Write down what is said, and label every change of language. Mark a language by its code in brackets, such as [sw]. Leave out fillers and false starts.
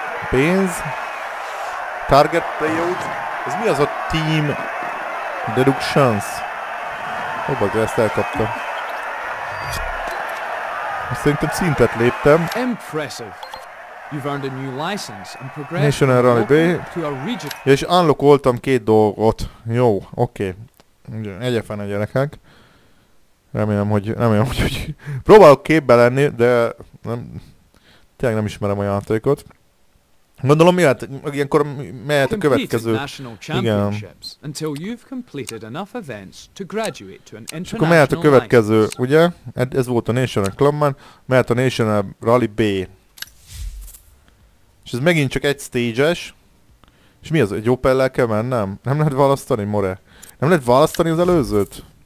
[hu] Pénz. [en] Target payout. [hu] Ez mi az a team deductions? Hoppa, de ezt elkapta. Szerintem szintet léptem. [en] Impressive. You've earned a new license and progressed. National Rally B. [hu] És unlockoltam két dolgot. Jó, oké. Okay. Egyefen a gyerekek. Remélem, hogy próbálok képbe lenni, de nem, tényleg nem ismerem a játékot. Gondolom, miért ilyenkor mehet a következő. Igen. [en] Until you've completed enough events to graduate to an international. [hu] Akkor mehet a következő, ugye? Ez volt a National Clubman, mehet a National Rally B. És ez megint csak egy stage-es. És mi az, egy Opel-lel kell mennem? Nem lehet választani, More? Nem lehet választani az előzőt?